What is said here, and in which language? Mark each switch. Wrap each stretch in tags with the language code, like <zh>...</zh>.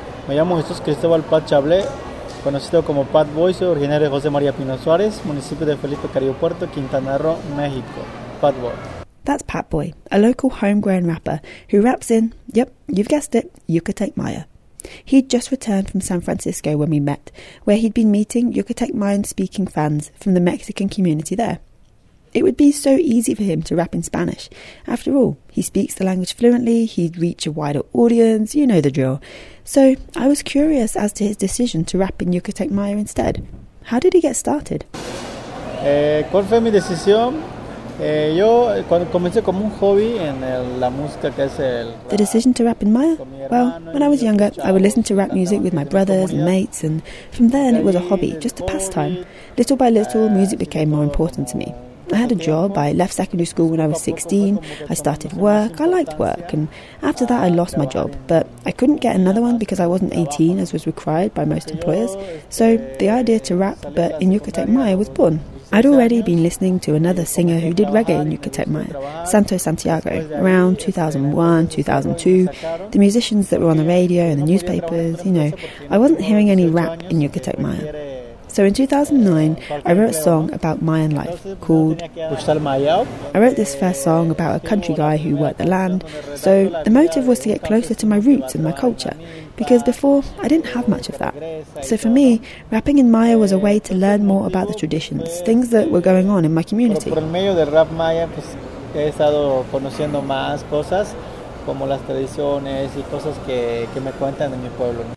<es>Me llamo Jesús Cristóbal Pat Chable, conocido como Pat Boy, soy originario de José María Pino Suárez, municipio de Felipe Carrillo Puerto, Quintana Roo, México. Pat Boy.</es> <en>That's Pat Boy, a local homegrown rapper who raps in, yep, you've guessed it, Yucatec Maya. He'd just returned from San Francisco when we met, where he'd been meeting Yucatec Mayan speaking fans from the Mexican community there. It would be so easy for him to rap in Spanish. After all, he speaks the language fluently, he'd reach a wider audience, you know the drill. So I was curious as to his decision to rap in Yucatec Maya instead. How did he get started?</en> <es>¿Cuál fue mi decisión? Yo cuando comencé como un hobby en la música que es el</es> <en>rap. The decision to rap in Maya? Well, when I was younger, I would listen to rap music with my brothers and mates, and from then it was a hobby, just a pastime. Little by little, music became more important to me. I had a job, I left secondary school when I was 16, I started work, I liked work, and after that I lost my job, but I couldn't get another one because I wasn't 18, as was required by most employers, so the idea to rap, but in Yucatec Maya, was born. I'd already been listening to another singer who did reggae in Yucatec Maya, Santo Santiago, around 2001, 2002, the musicians that were on the radio and the newspapers, you know, I wasn't hearing any rap in Yucatec Maya. So in 2009, I wrote a song about Mayan life called... I wrote this first song about a country guy who worked the land, so the motive was to get closer to my roots and my culture, because before, I didn't have much of that. So for me, rapping in Maya was a way to learn more about the traditions, things that were going on in my community.</en> <es>Por el medio del rap Maya, pues, he estado conociendo más cosas, como las tradiciones y cosas que me cuentan en mi pueblo.</es>